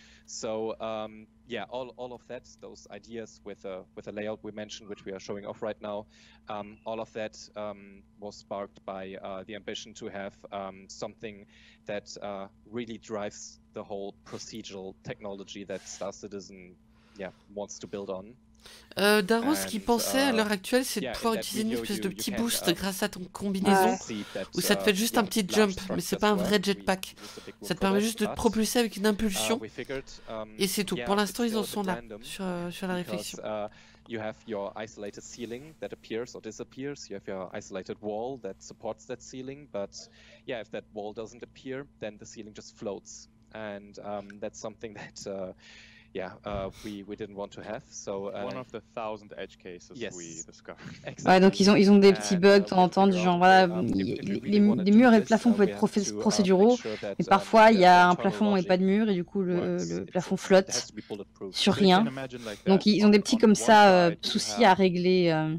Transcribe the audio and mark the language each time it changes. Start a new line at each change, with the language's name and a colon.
English: So all of that, those ideas with a layout we mentioned, which we are showing off right now, all of that was sparked by the ambition to have something that really drives the whole procedural technology that Star Citizen wants to build on.
French: Daros, ce qu'il pensait à l'heure actuelle, c'est de pouvoir utiliser une espèce de petit boost grâce à ton combinaison, où ça te fait juste un petit jump, mais c'est pas un vrai jetpack. Ça te permet juste de te propulser avec une impulsion, et c'est tout. Pour l'instant, ils en sont là, sur la réflexion.
English: You have your isolated ceiling that appears or disappears. You have your isolated wall that supports that ceiling. But yeah, if that wall doesn't appear, then the ceiling just floats. And that's something that, we didn't want to have. So one of the thousand edge cases we discovered. Exactly.
French: Ouais, donc ils ont des petits bugs, de temps en temps, du genre, voilà, les murs et le plafond peuvent être procéduraux, mais parfois il y a un plafond et pas de mur, et du coup le plafond flotte sur rien. Donc ils ont des petits comme ça soucis à régler.